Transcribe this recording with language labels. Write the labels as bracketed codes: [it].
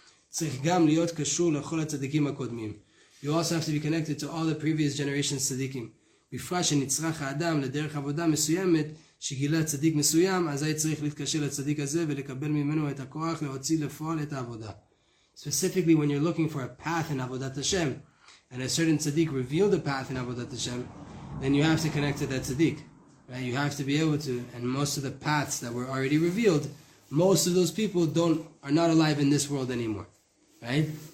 [he] צריך גם להיות קשור לכל הצדיקים הקודמים. [en] You also have to be connected to all the previous generation צדיקים. [he] בפרט שנצרח האדם לדרך עבודה מסוימת שגילה צדיק מסוים, אז היה צריך להתקשר לצדיק הזה ולקבל ממנו את הכוח להוציא לפועל את העבודה. [en] Specifically, when you're looking for a path in עבודת השם, and a certain צדיק revealed a path in עבודת השם, then you have to connect to that צדיק. Right? You have to be able to, and most of the paths that were already revealed, most of those people are not alive in this world anymore. Right?